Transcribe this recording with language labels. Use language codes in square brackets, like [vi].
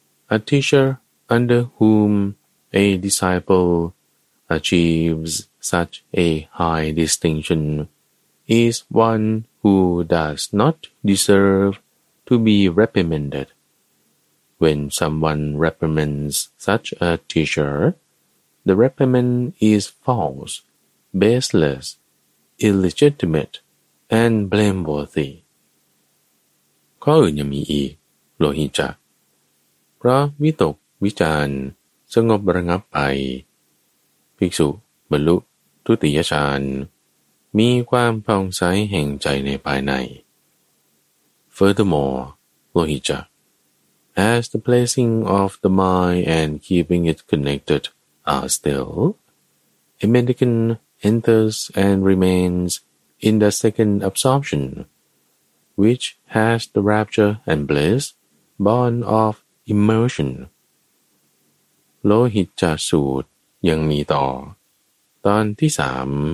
[en] Atisher,under whom a disciple achieves such a high distinction is one who does not deserve to be reprimanded. When someone reprimands such a teacher, the reprimand is false, baseless, illegitimate, and blameworthy. [th] ข้ออื่นยังมีอีกโลหิตจักเพราะวิตกวิจารณ์สงบระงับไปภิกษุบรรลุทุติยฌานมีความผ่องใสแห่งใจในภายใน [en] Furthermore, Lohicca, as the placing of the mind and keeping it connected are still, a mendicant enters and remains in the second absorption, which has the rapture and bliss born of immersion. [th] โลหิตจสูตรยังมีต่อตอนที่สาม